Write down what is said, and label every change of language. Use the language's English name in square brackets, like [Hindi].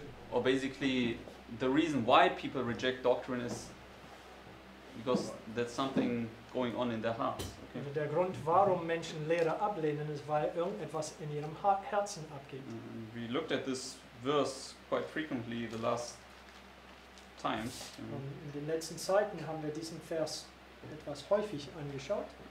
[English] or basically the reason why people reject doctrine is because that's something going on in their hearts. Okay? [German] Also der Grund, warum Menschen Lehre ablehnen, ist, weil irgendetwas in ihrem Herzen abgeht. [English] We looked at this verse quite frequently the last times. [German] In den letzten Zeiten haben wir diesen Vers etwas häufig angeschaut.